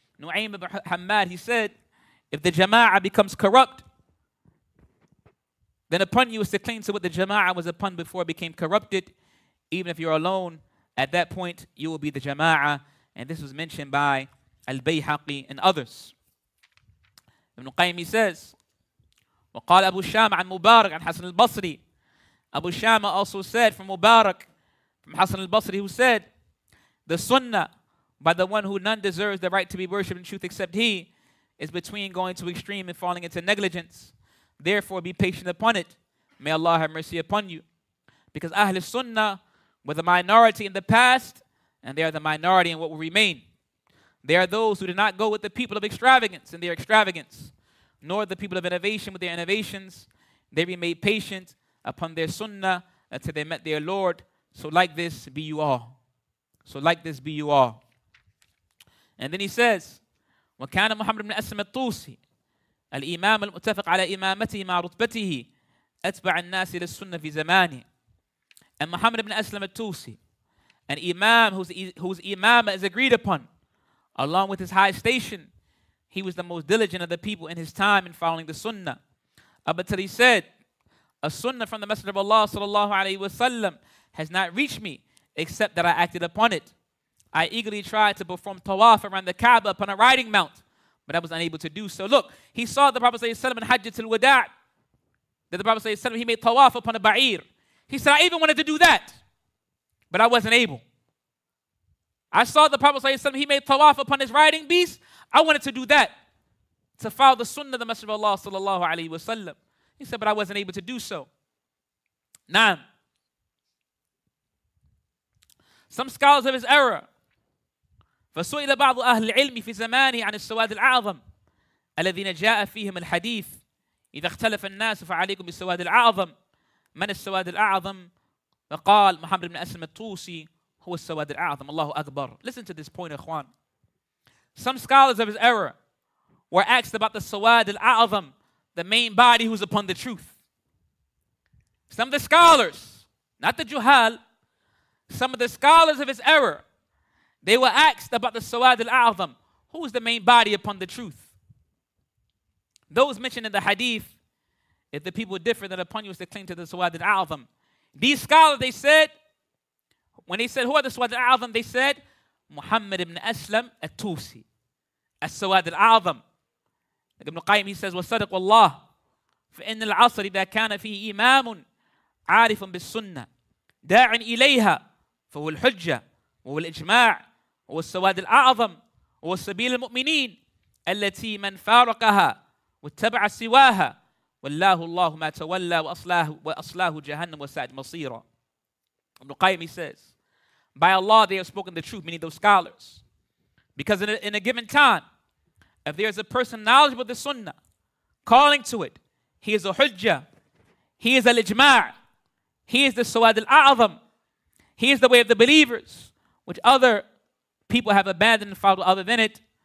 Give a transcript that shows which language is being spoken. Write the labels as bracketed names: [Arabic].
[English] Nu'aym ibn Hammad, he said, if the jama'ah becomes corrupt, then upon you is to cling to what the jama'ah was upon before it became corrupted. Even if you're alone, at that point, you will be the jama'ah. And this was mentioned by Al-Bayhaqi and others. Ibn Qayyim, he says, [Arabic] وقال أبو الشام عن مبارك عن حسن البصري. [English] Abu Shama also said from Mubarak, from Hassan al-Basri, who said, the sunnah by the one who none deserves the right to be worshipped in truth except he is between going to extreme and falling into negligence. Therefore, be patient upon it. May Allah have mercy upon you. Because Ahl al-Sunnah were the minority in the past and they are the minority in what will remain. They are those who did not go with the people of extravagance in their extravagance, nor the people of innovation with their innovations. They remain patient upon their sunnah until they met their Lord. So like this be you all. So like this be you all. And then he says, [Arabic] وَكَانَ مُحَمَّدُ بْنِ أَسْلَمَ الطُّوسِ الْإِمَامُ الْمُتَّفَقُ عَلَى إِمَامَتِهِ مَعَ رُتْبَتِهِ أَتْبَعَ النَّاسِ لِلسُّنَّةِ فِي زَمَانِهِ. [English] And Muhammad ibn Aslam al-Tusi, an imam whose imamah is agreed upon, along with his high station, he was the most diligent of the people in his time in following the sunnah. Up until he said, a sunnah from the Messenger of Allah sallallahu alayhi wa sallam has not reached me except that I acted upon it. I eagerly tried to perform tawaf around the Kaaba upon a riding mount, but I was unable to do so. Look, he saw the Prophet sallallahu alayhi wa sallam in Hajjatul Wada'. That the Prophet sallallahu alayhi wa sallam, he made tawaf upon a ba'ir. He said, I even wanted to do that, but I wasn't able. I saw the Prophet sallallahu alayhi wa sallam, he made tawaf upon his riding beast. I wanted to do that, to follow the sunnah of the Messenger of Allah sallallahu alayhi wa sallam. He said, but I wasn't able to do so. Naam. Some scholars of his era, [Arabic] فَسُئِلَ بَعْضُ أَهْلِ الْعِلْمِ فِي زَمَانِهِ عَنِ السَّوَادِ الْعَظَمِ الَّذِينَ جَاءَ فِيهِمَ الْحَدِيثِ إِذَا اخْتَلَفَ النَّاسُ فَعَلَيْكُمْ بِالسَّوَادِ الْعَظَمِ مَنِ السَّوَادِ الْعَظَمِ فَقَالْ مُحَمَّدْ بْنِ أَسْلَمَ الطُّوسِي هُوَ السَّوَادِ الْعَظَمِ اللَّهُ أَكْبَرُ. [English] Listen to this point, Ikhwan. Some scholars of his era were asked about the Sawad al-A'azam, the main body who's upon the truth. Some of the scholars, not the Juhal, some of the scholars of his era, they were asked about the Sawad al-A'azam, who is the main body upon the truth. Those mentioned in the hadith, if the people differ, then upon you is to cling to the Sawad al-A'azam. These scholars, they said, when they said, who are the Sawad al-A'azam, they said, Muhammad ibn Aslam al-Tusi. As-Sawad al-A'zam. Like Ibn Qayyim, he says, [Arabic] وَصَدَقُ وَاللَّهُ فَإِنَّ الْعَصْرِ إِذَا كَانَ فِيهِ إِمَامٌ عَارِفٌ بِالسُّنَّةِ دَاعٍ إِلَيْهَا فَهُوَ الْحُجَّةُ وَهُوَ الْإِجْمَاعُ وَهُوَ السَّوَادُ الْأَعْظَمُ وَهُوَ سَبِيلُ الْمُؤْمِنِينَ الَّتِي مَنْ فَارَقَهَا وَاتَّبَعَ سِوَاهَا وَاللَّهُ اللَّهُ مَا تَوَلَّى وَأَصْلَاهُ جَهَنَّمُ وَسَاءَتْ مَصِيرًا. [English] Ibn Qayyim, he says, by Allah they have spoken the truth, meaning those scholars. Because in a given time, if there is a person knowledgeable of the sunnah, calling to it, he is a hujjah, he is al-ijma', he is the sawad al-a'zam, he is the way of the believers, which other people have abandoned and followed other than it.